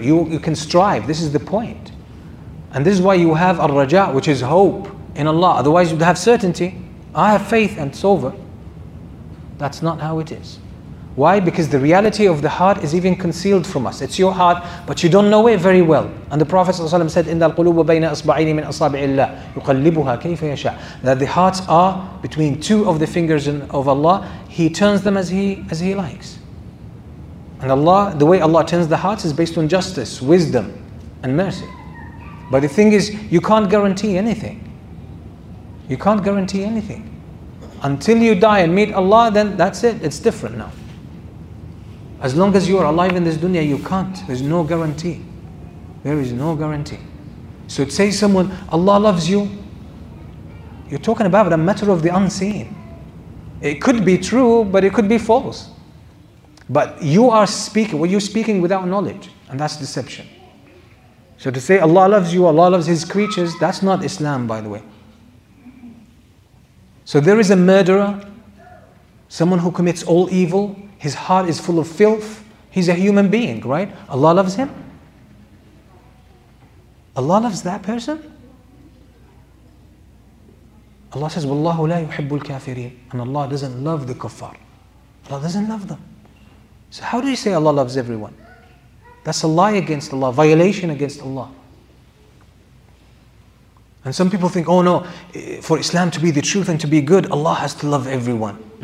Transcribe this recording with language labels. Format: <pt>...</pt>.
<en>You can strive. This is the point. And this is why you have al-raja, which is hope in Allah. Otherwise you'd have certainty. I have faith and it's over. That's not how it is. Why? Because the reality of the heart is even concealed from us. It's your heart, but you don't know it very well. And the Prophet ﷺ said,</en> <ar>إِنَّ الْقُلُوبَ بَيْنَ أَصْبَعَيْنِ مِنْ أَصَابِعِ اللَّهِ يُقَلِّبُهَا كَيْفَ يَشَاءُ.</ar> <en>That the hearts are between two of the fingers of Allah. He turns them as he likes. And Allah, the way Allah turns the hearts is based on justice, wisdom, and mercy. But the thing is, you can't guarantee anything. You can't guarantee anything. Until you die and meet Allah, then that's it. It's different now. As long as you are alive in this dunya, you can't. There's no guarantee. There is no guarantee. So to say someone, Allah loves you, you're talking about a matter of the unseen. It could be true, but it could be false. But you are speaking, well, you're speaking without knowledge. And that's deception. So to say Allah loves you, Allah loves His creatures, that's not Islam, by the way. So there is a murderer, someone who commits all evil, his heart is full of filth, he's a human being, right? Allah loves him? Allah loves that person?</en> <ar>Allah says, وَاللَّهُ لَا يُحِبُّ الْكَافِرِينَ.</ar> <en>And Allah doesn't love the kuffar. Allah doesn't love them. So how do you say Allah loves everyone? That's a lie against Allah, violation against Allah. And some people think, oh no, for Islam to be the truth and to be good, Allah has to love everyone.</en>